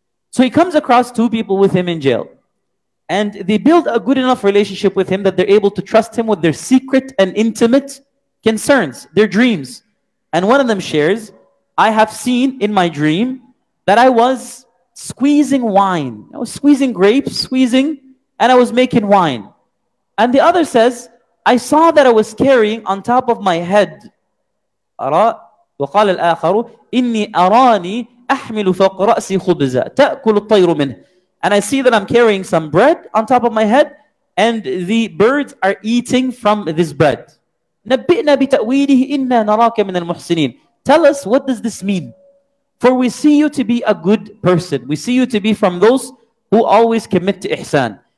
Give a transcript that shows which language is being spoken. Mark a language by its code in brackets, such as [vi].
[en] So he comes across two people with him in jail, and they build a good enough relationship with him that they're able to trust him with their secret and intimate concerns, their dreams. And one of them shares, "I have seen in my dream that I was squeezing wine." I was squeezing grapes, squeezing, and I was making wine. And the other says, "I saw that I was carrying on top of my head." [ar] وقال الآخر إني أراني أحمل فوق رأسي خبزا تأكل الطير منه. [en] And I see that I'm carrying some bread on top of my head, and the birds are eating from this bread. [ar] نَبِّئْنَا بِتَأْوِيلِهِ إِنَّا نَرَاكَ مِنَ الْمُحْسِنِينَ. [en] Tell us, what does this mean? For we see you to be a good person. We see you to be from those who always commit to ihsan.